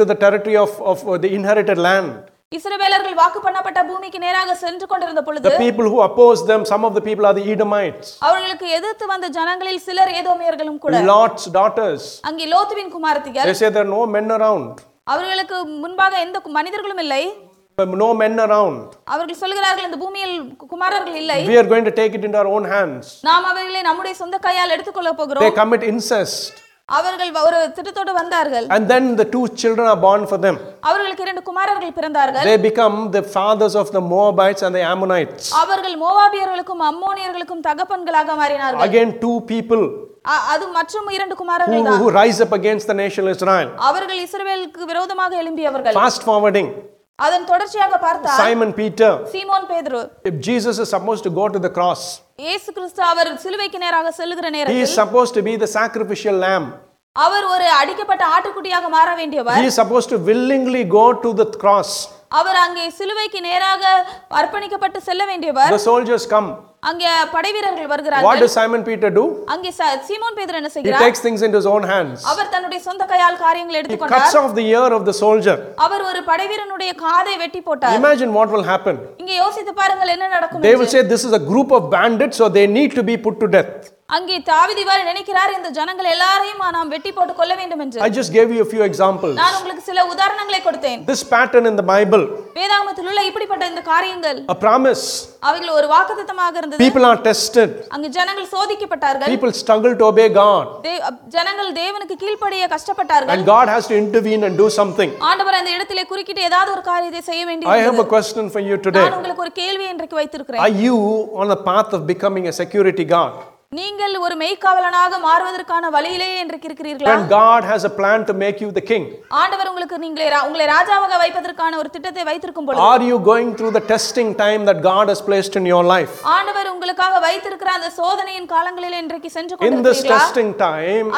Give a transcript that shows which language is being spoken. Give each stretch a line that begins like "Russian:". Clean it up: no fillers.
Tamil: உலகத்திலேயே அநேக வித்தியாசமான காரியங்களை ஜனங்கள் சொல்கிறார்கள். இஸ்ரவேலர்கள் வாக்குப்பண்ணப்பட்ட பூமிக்கு நேராக சென்று கொண்டிருந்த பொழுது
English: the people who opposed them some of the people are the edomites
Tamil: அவங்களுக்கு எதிர்த்து வந்த ஜனங்களில் சிலர் ஏதோமியர்களும் கூட
English: lots daughters
Tamil: அங்க லோத்வின் குமாரத்திகள்
English: they said there are no men around
Tamil: அவங்களுக்கு முன்பாக எந்த மனிதர்களும் இல்லை
English: no men around
Tamil: அவர்கள் சொல்கிறார்கள் இந்த பூமியில் குமாரர்கள் இல்லை
English: we are going to take it into our own hands
Tamil: நாம் அவர்களை நம்முடைய சொந்த கையால் எடுத்துக்கொள்ள போகிறோம்
English: they commit incest
Tamil: அவர்கள் ஒரு திட்டத்தோடு வந்தார்கள்
English: and then the two children are born for them
Tamil: அவர்களுக்கு இரண்டு குமாரர்கள் பிறந்தார்கள்
English: they become the fathers of the Moabites and the Ammonites
Tamil: அவர்கள் மோவாபியர்களுக்கும் அம்மோனியர்களுக்கும் தகப்பன்களாக மாறினார்கள்
English: again two people
Tamil: அது மற்றும் இரண்டு குமாரர்கள்
English: who rise up against the nation of Israel
Tamil: அவர்கள் இஸ்ரவேலுக்கு விரோதமாக எழும்பியவர்கள்
English: fast forwarding
Tamil: அதன் தொடர்ச்சியாக பார்த்தா
English: Simon Peter
Tamil: சீமோன் பேதுரு
English: if Jesus is supposed to go to the cross
Tamil: இயேசு கிறிஸ்து அவர் சிலுவைக்கு நேராக செல்லுகிற நேரத்தில்
English: he is supposed to be the sacrificial lamb
Tamil: அவர் ஒரு அடிக்கப்பட்ட ஆட்டுக்குட்டியாக மாற வேண்டியவர்
English: he is supposed to willingly go to the cross
Tamil: அவர் அங்கே சிலுவைக்கு நேராக அர்ப்பணிக்கப்பட்டு செல்ல வேண்டியவர்
English: the soldiers come
Tamil: அங்கே படைவீரர்கள் வருகிறார்கள்
English: what does Simon Peter do
Tamil: அங்கே சீமோன் பேதுரு என்ன செய்கிறார்
English: he takes things into his own hands
Tamil: அவர் தன்னுடைய சொந்த கையால் காரியங்களை எடுத்துக்கொண்டார்
English: he cuts off the ear of the soldier
Tamil: அவர் ஒரு படைவீரனுடைய காதை வெட்டி போட்டார்
English: imagine what will happen
Tamil: இங்கே யோசித்து பாருங்கள் என்ன நடக்கும்
English: they will say this is a group of bandits so they need to be put to death
Tamil: அங்கே தாவீதுவர் நினைக்கிறார் இந்த ஜனங்கள் எல்லாரையும் நாம் வெட்டி போட்டு கொல்ல வேண்டும் என்று
English: I just gave you a few examples
Tamil: நான் உங்களுக்கு சில உதாரணங்களை கொடுத்தேன்
English: This pattern in the Bible
Tamil: வேதாகமத்தில் உள்ள இப்படிப்பட்ட இந்த காரியங்கள்
English: A promise
Tamil: அவங்களுக்கு ஒரு வாக்குத்தத்தமாக இருந்தது
English: People are tested
Tamil: அங்க ஜனங்கள் சோதிக்கப்பட்டார்கள்
English: People struggle to obey God
Tamil: ஜனங்கள் தேவனுக்கு கீழ்ப்படிய கஷ்டப்பட்டார்கள்
English: And God has to intervene and do something
Tamil: ஆண்டவர் அந்த இடத்திலே குறுக்கிட்டு ஏதாவது ஒரு காரியத்தை செய்ய வேண்டியிருந்தது
English: I have a question for you today
Tamil: நான் உங்களுக்கு ஒரு கேள்வி இன்றைக்கு வைத்திருக்கிறேன்
English: Are you on the path of becoming a security guard
Tamil: நீங்கள் ஒரு மெய்க்காவலனாக மாறுவதற்கான வழியிலே இருக்கிறீர்களா
English: And God has a plan to make you the king.
Tamil: ஆண்டவர் உங்களுக்கு உங்களை ராஜாவாக வைப்பதற்கான ஒரு திட்டத்தை வைத்திருக்கும் பொழுது
English: Are you going through the testing time that God has placed in your life?
Tamil: ஆண்டவர் உங்களுக்காக வைத்திருக்கிற அந்த சோதனையின் காலங்களிலே இன்றைக்கு சென்று கொண்டிருக்கிறீர்களா
English: In this testing time